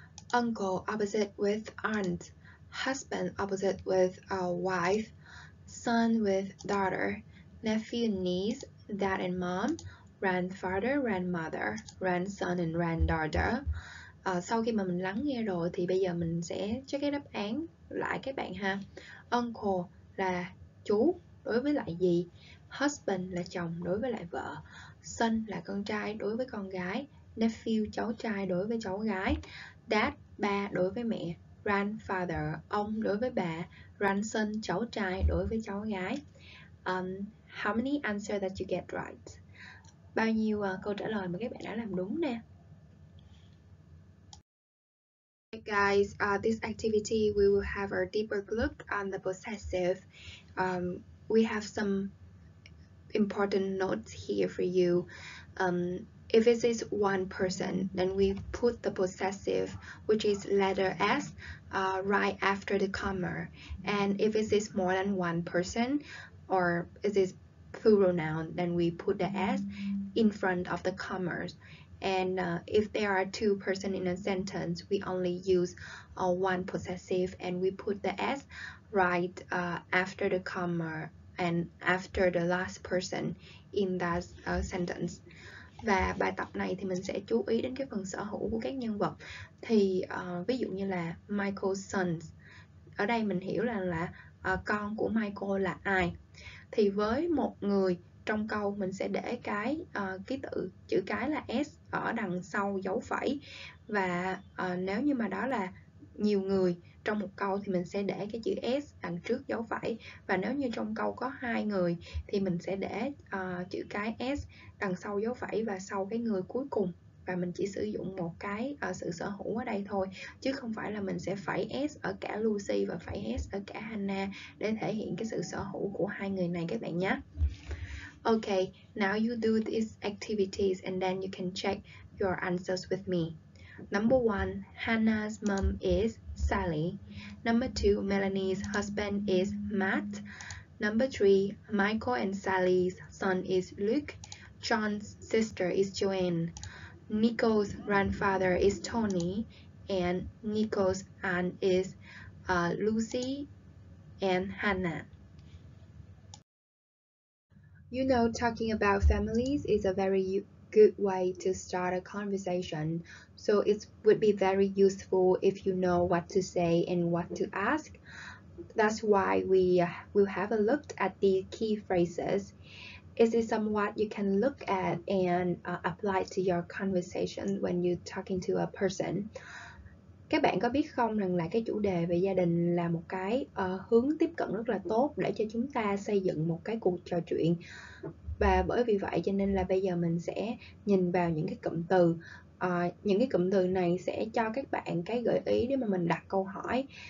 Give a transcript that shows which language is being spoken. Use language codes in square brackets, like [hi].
[en] Uncle opposite with aunt, husband opposite with wife, son with daughter, nephew and niece, dad and mom, grandfather, grandmother, grandson and granddaughter. [vi] Sau khi mà mình lắng nghe rồi thì bây giờ mình sẽ check cái đáp án lại các bạn ha. Uncle là chú đối với lại gì, husband là chồng đối với lại vợ, son là con trai đối với con gái, nephew cháu trai đối với cháu gái, dad ba đối với mẹ, grandfather ông đối với bà, grandson cháu trai đối với cháu gái. [en] How many answers that you get right? [vi] Bao nhiêu câu trả lời mà các bạn đã làm đúng nè? [en] Hey guys, this activity we will have a deeper look on the possessive. We have some important notes here for you. If it is one person, then we put the possessive, which is letter S, right after the comma. And if it is more than one person, or it is plural noun, then we put the S in front of the comma. And if there are two person in a sentence, we only use one possessive, and we put the S right after the comma. and after the last person in that sentence. [vi] Và bài tập này thì mình sẽ chú ý đến cái phần sở hữu của các nhân vật. Thì ví dụ như là Michael's sons. Ở đây mình hiểu là con của Michael là ai. Thì với một người trong câu mình sẽ để cái ký tự chữ cái là S ở đằng sau dấu phẩy. Và nếu như mà đó là nhiều người trong một câu thì mình sẽ để cái chữ S đằng trước dấu phẩy. Và nếu như trong câu có hai người thì mình sẽ để chữ cái S đằng sau dấu phẩy và sau cái người cuối cùng. Và mình chỉ sử dụng một cái sự sở hữu ở đây thôi, chứ không phải là mình sẽ phẩy S ở cả Lucy và phẩy S ở cả Hannah để thể hiện cái sự sở hữu của hai người này các bạn nhé. [en] Okay, now you do these activities and then you can check your answers with me. Number one, Hannah's mom is Sally. Number two, Melanie's husband is Matt. Number three, Michael and Sally's son is Luke. John's sister is Joanne. Nico's grandfather is Tony. And Nico's aunt is Lucy and Hannah. You know, talking about families is a very good way to start a conversation. So it would be very useful if you know what to say and what to ask. That's why we will have a look at the key phrases. Is it somewhat you can look at and apply to your conversation when you're talking to a person? [vi] Các bạn có biết không rằng là cái chủ đề về gia đình là một cái hướng tiếp cận rất là tốt để cho chúng ta xây dựng một cái cuộc trò chuyện. Và bởi vì vậy cho nên là bây giờ mình sẽ nhìn vào những cái cụm từ. Những cái cụm từ này sẽ cho các bạn cái gợi ý để mà mình đặt câu hỏi.